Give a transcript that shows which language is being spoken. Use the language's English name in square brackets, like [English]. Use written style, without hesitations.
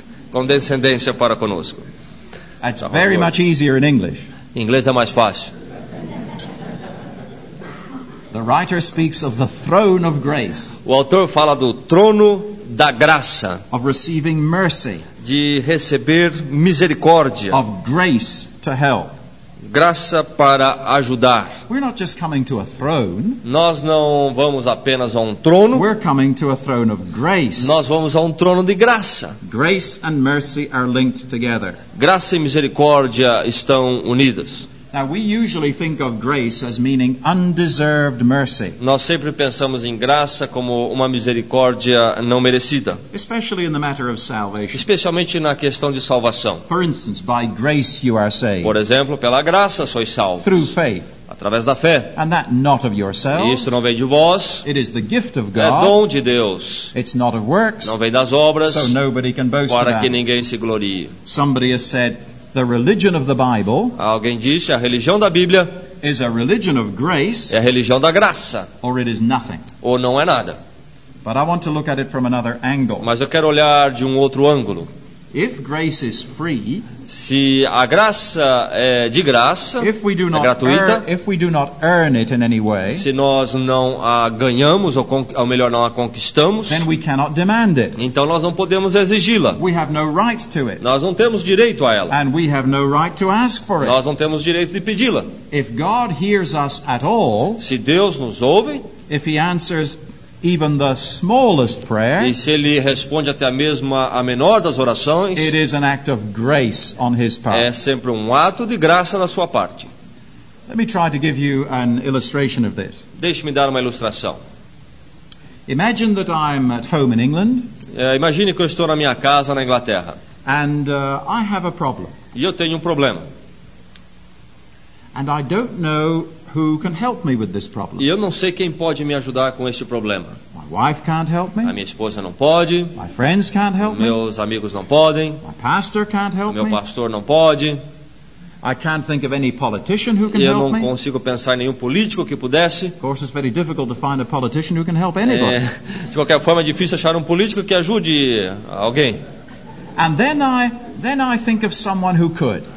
[Portuguese] Condescendência para conosco. [English] It's very much easier in English. [Portuguese] Em inglês é mais fácil. [English] The writer speaks of the throne of grace. [Portuguese] O autor fala do trono da graça. [English] Of receiving mercy. [Portuguese] De receber misericórdia. [English] Of grace to help. [Portuguese] Graça para ajudar. [English] We're not just coming to a throne. [Portuguese] Nós não vamos apenas a um trono. [English] We're coming to a throne of grace. [Portuguese] Nós vamos a um trono de graça. [English] Grace and mercy are linked together. [Portuguese] Graça e misericórdia estão unidas. [English] Now we usually think of grace as meaning undeserved mercy. [Portuguese] Nós sempre pensamos em graça como uma misericórdia não merecida. [English] Especially in the matter of salvation. [Portuguese] Especialmente na questão de salvação. [English] For instance, by grace you are saved. [Portuguese] Por exemplo, pela graça sois salvos. [English] Through faith. [Portuguese] Através da fé. [English] And that not of yourselves. [Portuguese] E isto não vem de vós. [English] It is the gift of God. [Portuguese] É dom de Deus. [English] It's not of works. [Portuguese] Não vem das obras. [English] So nobody can boast [Portuguese] para [English] about [Portuguese] que ninguém se glorie. [English] Somebody has said the religion of the Bible. [Portuguese] Alguém disse a religião da Bíblia [English] is a religion of grace. [Portuguese] É a religião da graça. [English] Or it is nothing. [Portuguese] Ou não é nada. [English] But I want to look at it from another angle. [Portuguese] Mas eu quero olhar de um outro ângulo. [English] If grace is free, [Portuguese] se a graça é de graça, [English] if we do not [Portuguese] é gratuita, [English] if we do not earn it in any way, [Portuguese] se nós não a ganhamos, ou melhor, não a conquistamos, [English] then we cannot demand it. [Portuguese] Então nós não podemos exigi-la. [English] We have no right to it. [Portuguese] Nós não temos direito a ela. [English] And we have no right to ask for it. [Portuguese] Nós não temos direito de pedi-la. [English] If God hears us at all, [Portuguese] se Deus nos ouve, [English] if he answers even the smallest prayer, [Portuguese] e se ele responde até mesmo a menor das orações, [English] it is an act of grace on his part. [Portuguese] É sempre um ato de graça da sua parte. [English] Let me try to give you an illustration of this. [Portuguese] Deixe-me dar uma ilustração. [English] Imagine that I'm at home in England. [Portuguese] Imagine que eu estou na minha casa na Inglaterra. [English] And I have a problem. [Portuguese] E eu tenho um problema. [English] And I don't know who can help me with this problem. [Portuguese] E eu não sei quem pode me ajudar com este problema. [English] My wife can't help me. [Portuguese] A minha esposa não pode. [English] My friends can't help me. [Portuguese] Meus amigos não podem. [English] My pastor can't help me. [Portuguese] Meu pastor não pode. [English] I can't think of any politician who can help me. [Portuguese] Eu não consigo pensar em nenhum político que pudesse. [English] Of course, it's very difficult to find a politician who can help anybody. [Portuguese] De qualquer forma, é difícil achar político que ajude alguém. [English] And then I think of someone who could.